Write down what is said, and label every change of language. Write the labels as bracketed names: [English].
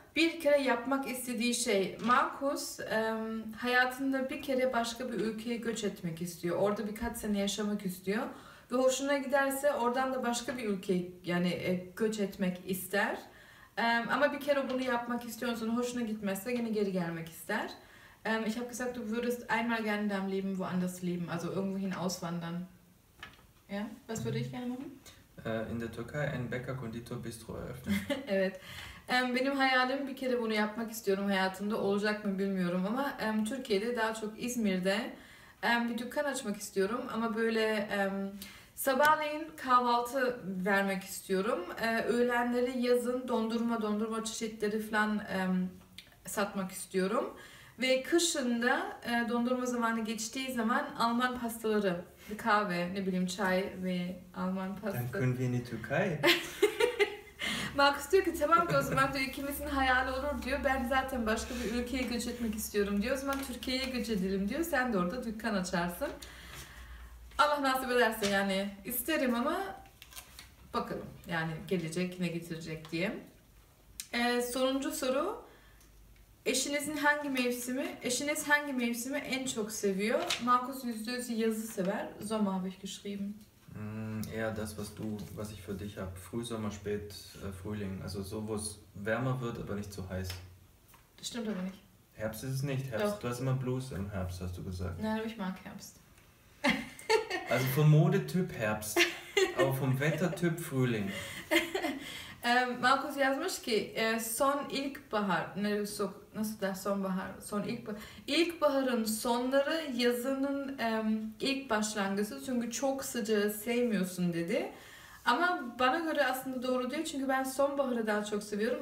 [Turkish] bir kere yapmak istediği şey, Markus hayatında bir kere başka bir ülkeye göç etmek istiyor. Orada birkaç sene yaşamak istiyor. Ve hoşuna giderse oradan da başka bir ülkeye yani göç etmek ister. Ama bir kere bunu yapmak istiyorsan, hoşuna gitmezse yine geri gelmek ister. [German] Ich habe gesagt, du würdest einmal gerne in deinem Leben woanders leben, also irgendwohin auswandern. Ja, was würde ich gerne machen? In der Türkei ein Bäcker-Konditor-Bistro eröffnen. [Turkish] Evet. Benim hayalim bir kere bunu yapmak istiyorum hayatımda, olacak mı bilmiyorum ama Türkiye'de daha çok İzmir'de bir dükkan açmak istiyorum ama böyle sabahleyin kahvaltı vermek istiyorum. Öğlenleri yazın dondurma çeşitleri falan satmak istiyorum. Ve kışında dondurma zamanı geçtiği zaman Alman pastaları, bir kahve, ne bileyim çay ve Alman pastaları. [German] Dann können wir in die Türkei. [Turkish] Markus diyor ki tamam diyor, o zaman diyor, ikimizin hayali olur diyor. Ben zaten başka bir ülkeye göç etmek istiyorum diyor. O zaman Türkiye'ye göç edelim diyor. Sen de orada dükkan açarsın. Allah nasip ederse yani isterim ama bakalım yani gelecek ne getirecek diye. Sonuncu soru. Eşiniz hangi mevsimi en çok seviyor? Markus %100 yazı sever. [German] Sommer habe ich geschrieben. Eher das, was ich für dich habe. Frühsommer, spät Frühling. Also so, wo es wärmer wird, aber nicht zu heiß. Das stimmt aber nicht. Herbst ist es nicht. Herbst. Doch. Du hast immer Blues im Herbst, hast du gesagt. Nein, aber ich mag Herbst. Also vom Modetyp Herbst, aber vom Wettertyp Frühling. [Turkish] Markus yazmış ki son ilkbahar, nasıl der sonbahar, son ilkbahar, ilkbaharın sonları yazının ilk başlangıcı çünkü çok sıcağı sevmiyorsun dedi. Ama bana göre aslında doğru değil çünkü ben sonbaharı daha çok seviyorum.